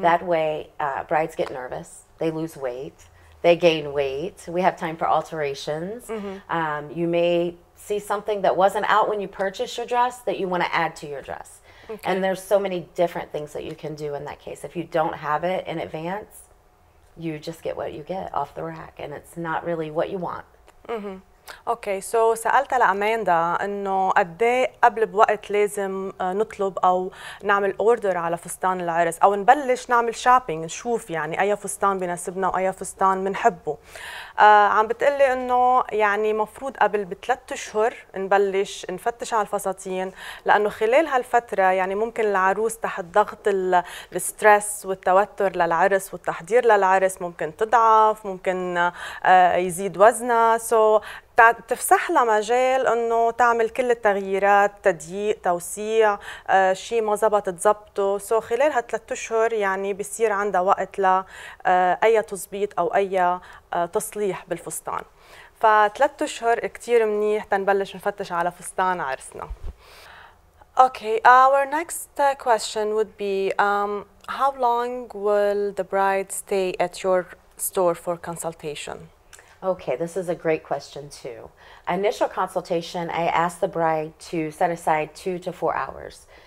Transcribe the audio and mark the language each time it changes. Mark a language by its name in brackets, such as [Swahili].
[English] That way, brides get nervous, they lose weight, they gain weight, we have time for alterations. Mm-hmm. You may see something that wasn't out when you purchased your dress that you want to add to your dress. Okay. And there's so many different things that you can do in that case. If you don't have it in advance, you just get what you get off the rack, and it's not really what you want. Mm-hmm. [Arabic] اوكي، سو سألت لأميندا انه قديه قبل بوقت لازم نطلب او نعمل اوردر على فستان العرس، او نبلش نعمل شوبينج نشوف يعني اي فستان بيناسبنا واي فستان بنحبه. عم بتقلي انه يعني مفروض قبل بثلاث اشهر نبلش نفتش على الفساتين، لانه خلال هالفتره يعني ممكن العروس تحت ضغط الستريس والتوتر للعرس والتحضير للعرس ممكن تضعف، ممكن يزيد وزنها. سو تفسح لها مجال انه تعمل كل التغييرات، تضييق، توسيع، شيء ما زبط تزبطه. سو خلال هالثلاث اشهر يعني بيصير عندها وقت لاي تزبيط او اي تصليح بالفستان. فثلاث اشهر كثير منيح تنبلش نفتش على فستان عرسنا. [English] Okay, our next question would be how long will the bride stay at your store for consultation? Okay, this is a great question too. Initial consultation, I ask the bride to set aside 2 to 4 hours.